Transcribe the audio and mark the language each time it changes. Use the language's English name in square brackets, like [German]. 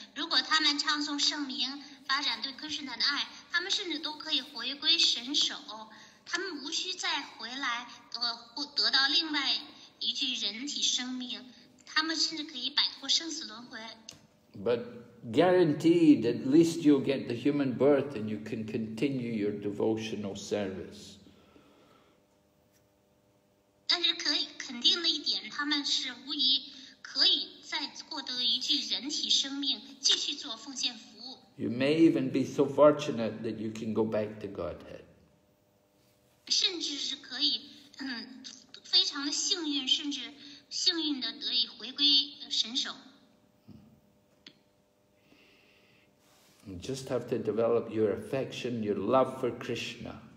[Chinese] 如果他们唱诵圣名，发展对昆士那的爱，他们甚至都可以回归神首，他们无需再回来得到另外一具人体生命，他们甚至可以摆脱生死轮回。 [English] But guaranteed, at least you'll get the human birth and you can continue your devotional service. [Chinese] 但是可以肯定的一点，他们是无疑可以再获得一具人体生命，继续做奉献服务。 [English] You may even be so fortunate that you can go back to Godhead. [Chinese] 甚至是可以，非常的幸运，甚至幸运的得以回归神首。 [English] You just have to develop your affection, your love for Krishna.